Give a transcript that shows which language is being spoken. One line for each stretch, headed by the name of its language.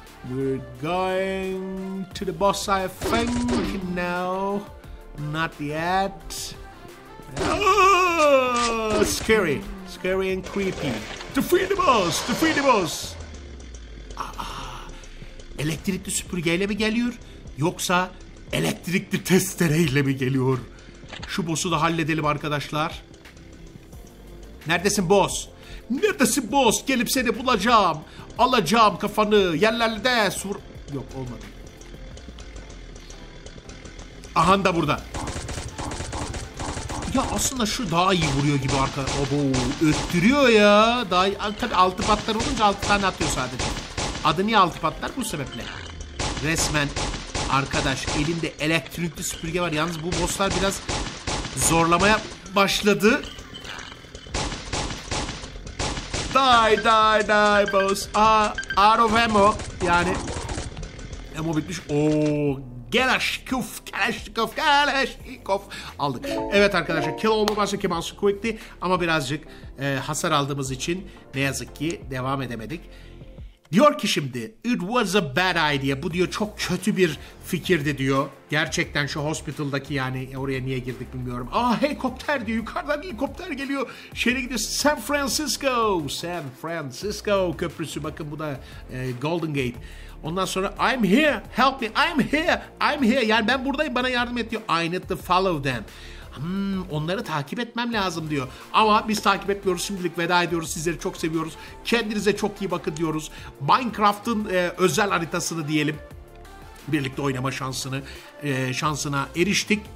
English: We're going to the boss, I think. No, not yet. Ah, scary, scary and creepy. Defeat the boss, defeat the boss.
Turkish: Aa, elektrikli süpürgeyle mi geliyor? Yoksa elektrikli testereyle mi geliyor? Şu boss'u da halledelim arkadaşlar. Neredesin boss? Neredesin boss? Gelip seni bulacağım. Alacağım kafanı. Yerlerde sur... Yok olmadı. Ahan da burada. Ya aslında şu daha iyi vuruyor gibi arka. Obo, öttürüyor ya. Daha iyi. Tabii altı patlar olunca altı tane atıyor sadece. Adı niye altı patlar? Bu sebeple. Resmen arkadaş elinde elektrikli süpürge var. Yalnız bu bosslar biraz zorlamaya başladı.
English: Die, die, die, boss.
Turkish: Aa,
English: out of ammo.
Turkish: Yani, ammo bitmiş. Ooo, gelaşkuf, gelaşkuf, gelaşkuf. Aldık. Evet arkadaşlar, kill olmaması ki mouse quickly. Ama birazcık hasar aldığımız için ne yazık ki devam edemedik. Diyor ki şimdi,
English: it was a bad idea.
Turkish: Bu diyor çok kötü bir fikirdi diyor. Gerçekten şu hospital'daki, yani oraya niye girdik bilmiyorum. Aa helikopter diyor, yukarıdan helikopter geliyor. Şehre gidiyor, San Francisco. San Francisco köprüsü, bakın bu da Golden Gate. Ondan sonra
English: I'm here, help me, I'm here, I'm here.
Turkish: Yani ben buradayım, bana yardım et diyor.
English: I need to follow them.
Turkish: Hmm, onları takip etmem lazım diyor. Ama biz takip etmiyoruz. Şimdilik veda ediyoruz. Sizleri çok seviyoruz. Kendinize çok iyi bakın diyoruz. Minecraft'ın özel haritasını diyelim. Birlikte oynama şansına eriştik.